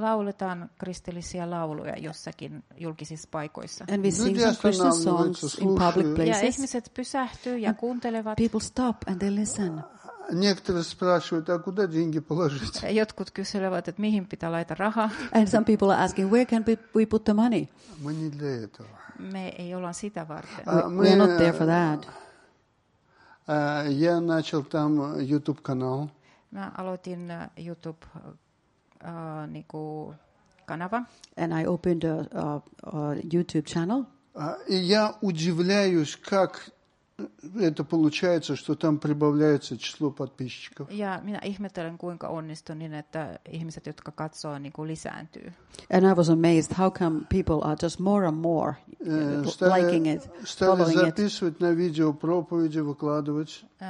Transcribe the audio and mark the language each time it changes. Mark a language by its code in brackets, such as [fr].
[fi] lauletaan kristillisiä lauluja jossakin julkisissa paikoissa. [en] And we sing some Christian songs in public places. [fi] Ja ihmiset pysähtyy ja kuuntelevat. [en] People stop and they listen. [ru] Некоторые спрашивают, а куда деньги положить? [fi] Jotkut kyselevät, että mihin pitää laittaa rahaa. [en] And some people are asking, where can we put the money? [ru] Мы не для этого. [fi] Me ei olla sitä varten. [en] We are not there for that. [ru] Я начал там YouTube канал. [fi] Mä aloitin YouTube niinku kanava. [en] And I opened a YouTube channel. [ru] И я удивляюсь, как это получается, что там прибавляется число подписчиков. [fi] Ja minä ihmettelen, kuinka onnistui niin, että ihmiset, jotka katsoo, niinku lisääntyy. [en] And I was amazed how come people are just more and more liking it, [ru] Stali записывать на видео проповеди, выкладывать.